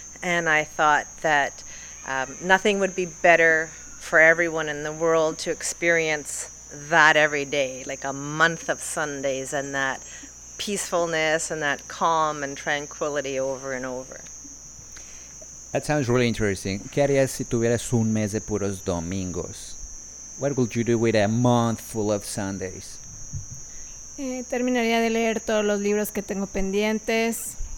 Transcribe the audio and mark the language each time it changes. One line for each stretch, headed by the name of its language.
English: And I thought that nothing would be better for everyone in the world to experience that every day, like a month of Sundays and that peacefulness and that calm and tranquility over and over. That sounds really interesting.
Spanish: ¿Qué harías si tuvieras un mes de puros domingos?
English: What would you do with a month full of Sundays?
Spanish: Terminaría de leer todos los libros que tengo pendientes.